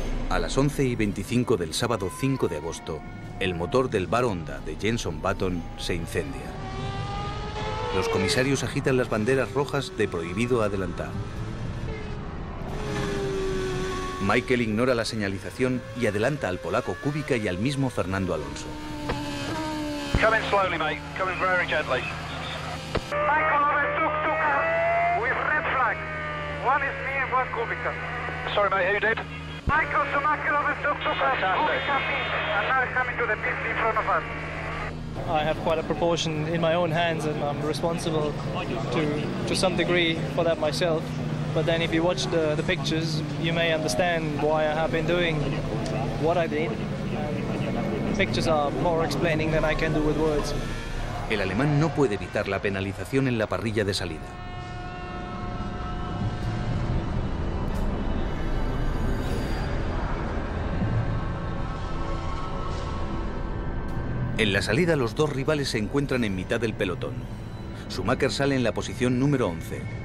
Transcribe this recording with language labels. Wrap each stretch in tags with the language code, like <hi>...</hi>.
<es>A las 11:25 del sábado 5 de agosto, el motor del Bar Honda de Jenson Button se incendia. Los comisarios agitan las banderas rojas de prohibido adelantar. Michael ignora la señalización y adelanta al polaco Kubica y al mismo Fernando Alonso.</es> <en>Coming slowly, mate. Coming very gently. Michael Robert took two cars with red flag. One is me and one Kubica. Sorry, mate. Who did? Michael Schumacher overtook two cars. Kubica and now coming to the pit in front of us. I have quite a proportion in my own hands and I'm responsible to some degree for that myself. But then if you watch the pictures, you may understand why I have been doing what I did. Pictures are more explaining than I can do with words.</en> <es>El alemán no puede evitar la penalización en la parrilla de salida. En la salida, los dos rivales se encuentran en mitad del pelotón. Schumacher sale en la posición número 11.</es>